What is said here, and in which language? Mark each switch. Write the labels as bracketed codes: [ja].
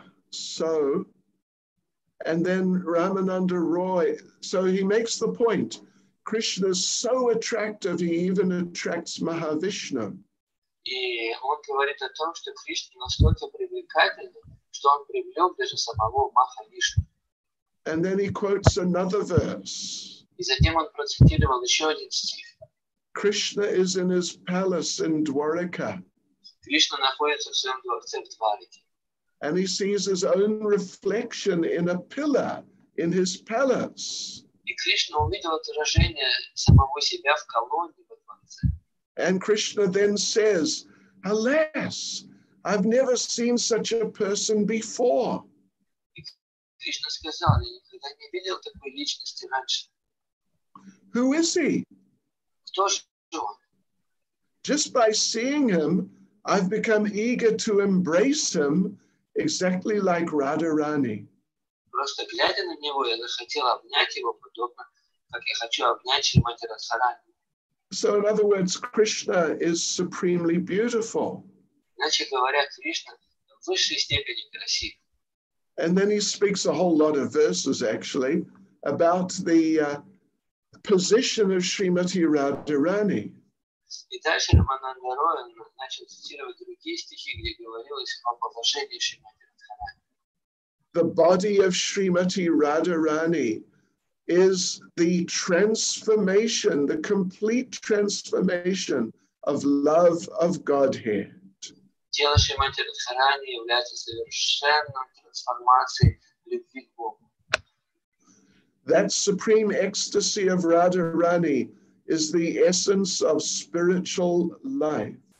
[en] So, and then Ramananda Roy, so he makes the point, Krishna is so attractive, he even attracts Mahavishnu. [ru] И он говорит о том, что Кришна настолько привлекательный, что он привлек даже самого Махавишну. [en] And then he quotes another verse. [ru] И затем он процитировал еще один стих. [en] Krishna is in his palace in Dwarka. [ru] Кришна находится в своем дворце в Двараке. [en] And he sees his own reflection in a pillar in his palace. [ru] И Кришна увидел отражение самого себя в колонне во дворце. [en] And Krishna then says, "Alas, I've never seen such a person before." [ru] И Кришна сказал, я никогда не видел такой личности раньше. [en] Who is he? [ru] Кто же он? [en] Just by seeing him, I've become eager to embrace him, exactly like Radharani. [ru] Просто глядя на него, я захотел обнять его подобно, как я хочу обнять Шримати Радхарани. [en] So, in other words, Krishna is supremely beautiful. [ru] Иначе говоря, Кришна в высшей степени красив. [en] And then he speaks a whole lot of verses, actually, about the position of Shrimati Radharani. [ru] И дальше Рамананда Роя начал цитировать другие стихи, где говорилось о положении Шримати Радхарани. [en] The body of Shrimati Radharani is the transformation, the complete transformation of love of Godhead. [ru] Тело Шримати Радхарани является совершенной трансформацией любви к Богу. [en] That supreme ecstasy of Radharani is the essence of spiritual life.